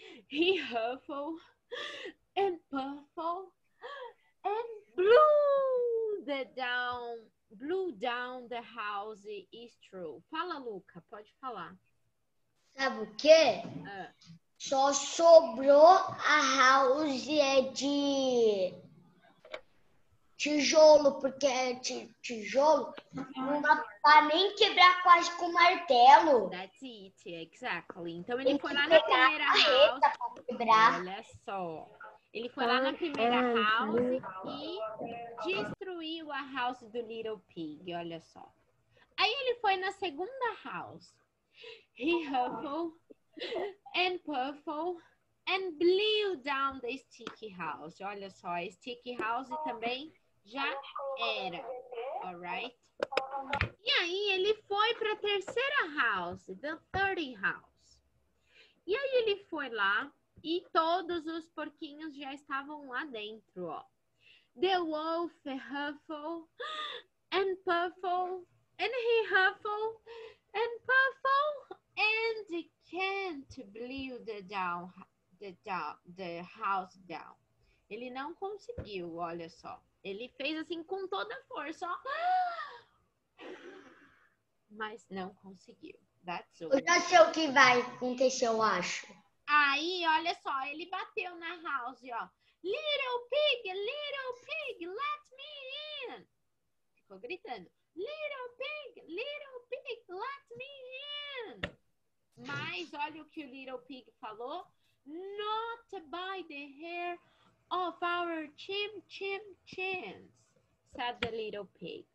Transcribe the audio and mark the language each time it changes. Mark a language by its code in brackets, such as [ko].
[en] He huffle and puffle and blew down the house is true. [pt] Fala, Luca, pode falar. Sabe o quê? Só sobrou a house é de tijolo, porque é tijolo. Não dá pra nem quebrar quase com martelo. [en] That's it, exactly. [pt] Então ele foi lá na primeira house. Pra quebrar. Olha só. Ele foi lá na primeira house e destruiu a house do Little Pig, olha só. Aí ele foi na segunda house. [en] He huffled and puffled and blew down the sticky house. [pt] Olha só, a sticky house também já era, alright? E aí ele foi para a terceira house, [en] the third house. [pt] E aí ele foi lá. E todos os porquinhos já estavam lá dentro, ó. [en] The wolf huffle and puffle and he huffle and puffle and can't blew the house down. [pt] Ele não conseguiu, olha só. Ele fez assim com toda a força, ó. Mas não conseguiu. That's all. Eu já sei o que vai acontecer, eu acho. Aí, olha só, ele bateu na house, ó. [en] Little pig, let me in. [pt] Ficou gritando. [en] Little pig, let me in. [pt] Mas olha o que o little pig falou. [en] Not by the hair of our chins, said the little pig.